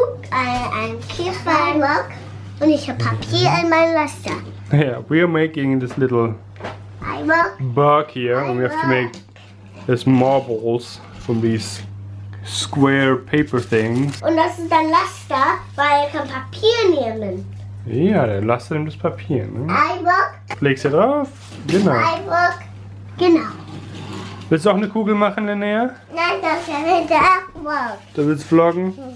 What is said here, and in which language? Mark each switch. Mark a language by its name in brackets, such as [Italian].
[German] Ein Kieferblock und ich habe Papier in meinem Laster. [English] Yeah, we are making this little block here, and we have to make these marbles from these square paper things. [German] Und das ist dein Laster, weil er kann Papier nehmen. Ja, der Laster nimmt das Papier. Ne? Ein Block. Legst du drauf? Genau. Ein Block. Genau. Willst du auch eine Kugel machen, Linnea? Nein, das ist ein Block. Du willst vloggen?